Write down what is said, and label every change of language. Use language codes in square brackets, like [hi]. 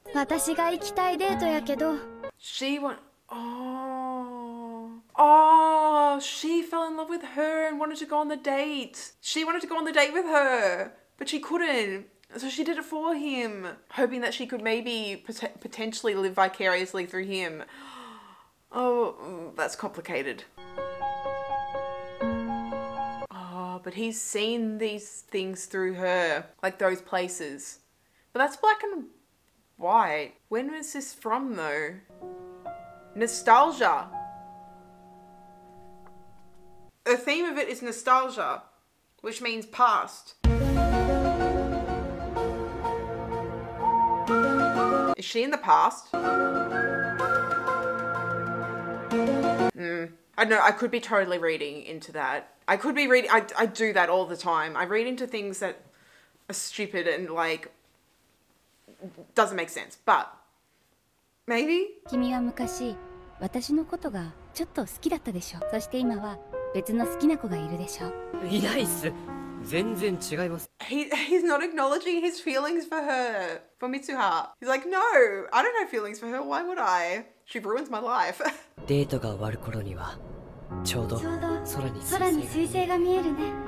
[ja] 私が行きたいデートやけど。 [en] She want... Oh, she fell in love with her and wanted to go on the date. She wanted to go on the date with her, but she couldn't. So she did it for him, hoping that she could maybe potentially live vicariously through him. Oh, that's complicated. Oh, but he's seen these things through her, like those places. But that's black and white. When was this from though? Nostalgia. The theme of it is nostalgia, which means past. Is she in the past? I don't know, I could be totally reading into that. I could be reading, I do that all the time. I read into things that are stupid and like, doesn't make sense, but maybe? [ja] 君は昔、私のことがちょっと好きだったでしょう。そして今は別の好きな子がいるでしょう。いないっす。全然違います。 [en] He's not acknowledging his feelings for her, for Mitsuha. He's like, no, I don't have feelings for her. Why would I? She ruins my life. [ja] デートが終わる頃にはちょうど空に彗星が見えるね。